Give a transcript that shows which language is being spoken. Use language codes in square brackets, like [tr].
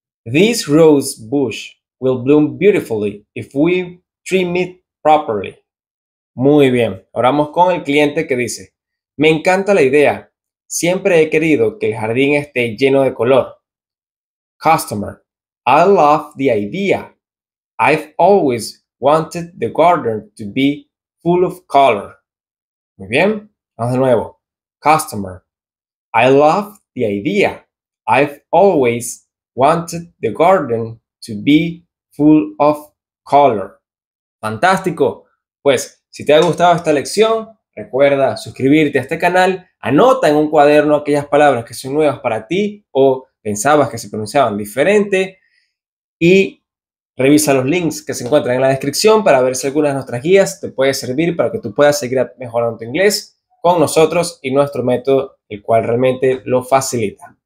[en] This rose bush will bloom beautifully if we trim it properly. [es] Muy bien. Ahora vamos con el cliente que dice: me encanta la idea. Siempre he querido que el jardín esté lleno de color. [en] Customer. I love the idea. I've always wanted the garden to be full of color. [es] Muy bien. Vamos de nuevo. [en] Customer. I love the idea. I've always wanted the garden to be full of color. [es] Fantástico. Pues, si te ha gustado esta lección, recuerda suscribirte a este canal. Anota en un cuaderno aquellas palabras que son nuevas para ti o pensabas que se pronunciaban diferente. Y revisa los links que se encuentran en la descripción para ver si alguna de nuestras guías te puede servir para que tú puedas seguir mejorando tu inglés con nosotros y nuestro método, el cual realmente lo facilita.